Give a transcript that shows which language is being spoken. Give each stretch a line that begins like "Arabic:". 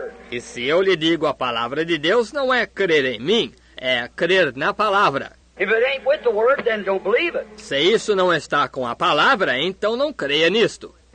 Portuguese: E se eu lhe digo a palavra de Deus, não é crer em mim, é crer na palavra.
English: If it ain't with the word, then don't believe it.
Portuguese: Se isso não está com a palavra, então não creia nisto.